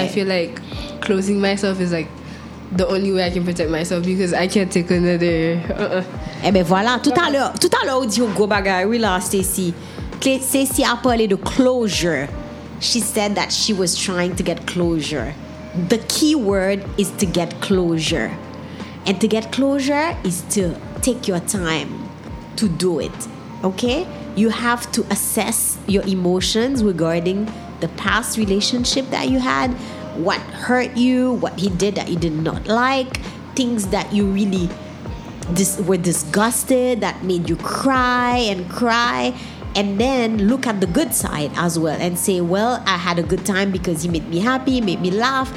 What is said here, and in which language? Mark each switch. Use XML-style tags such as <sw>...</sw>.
<en>I feel like closing myself is like the only way I can protect myself, because I can't take another.</en> <fr>Eh ben voilà, tout à l'heure, on dit un gros bagage. Oui, là, Stacy. Stacy a parlé de closure.</fr> <en>She said that she was trying to get closure. The key word is to get closure. And to get closure is to take your time to do it. Okay? You have to assess your emotions regarding the past relationship that you had, what hurt you, what he did that you did not like, things that you really were disgusted, that made you cry, and then look at the good side as well and say, well, I had a good time because he made me happy, made me laugh.</en>